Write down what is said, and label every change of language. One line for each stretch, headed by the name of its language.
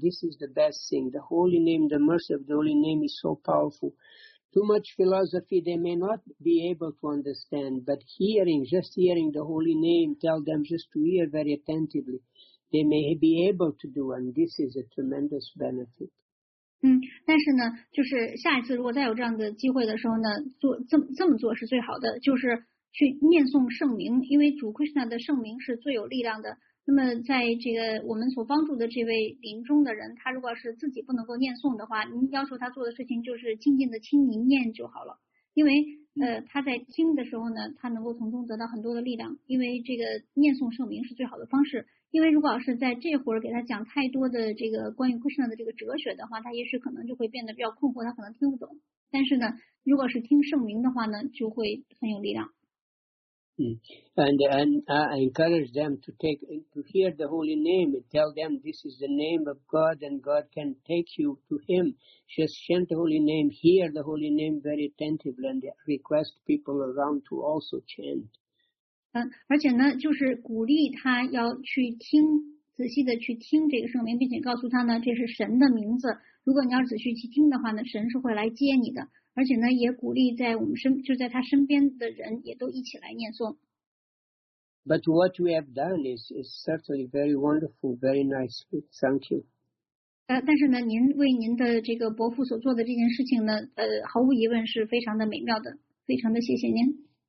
English: This is the best thing. The holy name, the mercy of the holy name is so powerful. Too much philosophy they may not be able to understand, but just hearing the holy name, tell them just to hear very attentively, they may be able to do, and this is a tremendous benefit.
Chinese: 但是呢，就是下一次如果再有这样的机会的时候呢，做这么做是最好的，就是去念诵圣名，因为主 Krishna 的圣名是最有力量的。那么，在这个我们所帮助的这位临终的人，他如果是自己不能够念诵的话，您要求他做的事情就是静静的听您念就好了。因为他在听的时候呢，他能够从中得到很多的力量，因为这个念诵圣名是最好的方式。因为如果要是在这会儿给他讲太多的这个关于克什纳的这个哲学的话，他也许可能就会变得比较困惑，他可能听不懂。但是呢，如果是听圣名的话呢，就会很有力量。
English: And I encourage them to take to hear the holy name. Tell them this is the name of God, and God can take you to Him. Just chant the holy name, hear the holy name very attentively, and request people around to also chant.
Chinese: 而且呢，就是鼓励他要去听，仔细的去听这个圣名，并且告诉他呢，这是神的名字。如果你要仔细去听的话呢，神是会来接你的。而且呢，也鼓励在我们身，就在他身边的人也都一起来念诵。
English: But what we have done is certainly very wonderful, very nice. Thank you.
Chinese: 但是呢，您为您的这个伯父所做的这件事情呢，毫无疑问是非常的美妙的，非常的谢谢您。